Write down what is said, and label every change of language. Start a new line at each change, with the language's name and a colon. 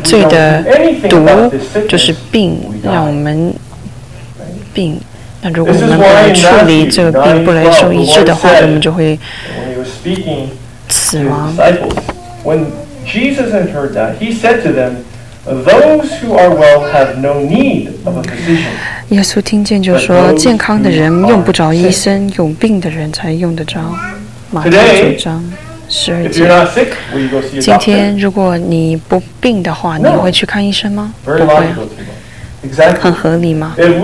Chinese: 罪的毒就是病，让我们病。那如果我们不来处理这个病，不来受医治的话，我们就会
English: speaking to the disciples. When Jesus had heard that, he said to them, "Those who are well have no need of a physician."
Chinese: 耶稣听见就说，健康的人用不着医生，有病的人才用得着。马太九章十二节。今天如果你不病的话，你会去看医生吗？不会。很合理吗？